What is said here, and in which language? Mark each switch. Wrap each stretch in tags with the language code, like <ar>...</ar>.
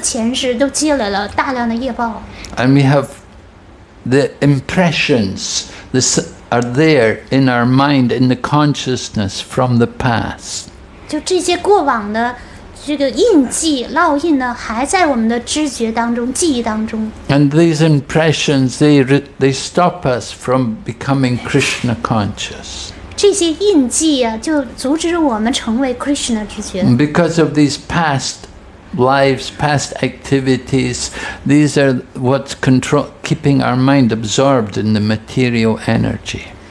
<zh>我们都有前世，许多的前世都积累了大量的业报。</zh> <en>And we have the impressions that are there in our mind, in the consciousness from the past.</en> <zh>就这些过往的 这个印记烙印呢，还在我们的知觉当中，记忆当中。</zh> <en>And these impressions, they stop us from becoming Krishna conscious.</en> <zh>这些印记啊，就阻止我们成为 Krishna 知觉。</zh> <en>Because of these past lives, past activities, these are what's control keeping our mind absorbed in the material energy.</en>